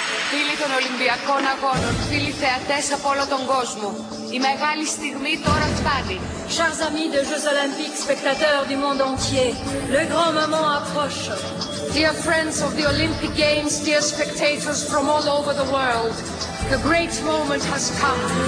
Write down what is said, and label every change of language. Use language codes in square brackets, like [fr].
[el] Φίλοι των Ολυμπιακών Αγώνων, φίλοι θεατές από όλο τον κόσμο, η μεγάλη στιγμή τώρα φτάνει. [fr] Chers amis des Jeux Olympiques, spectateurs du monde entier, le grand moment approche. [en] Dear friends of the Olympic Games, dear spectators from all over the world, the great moment has come.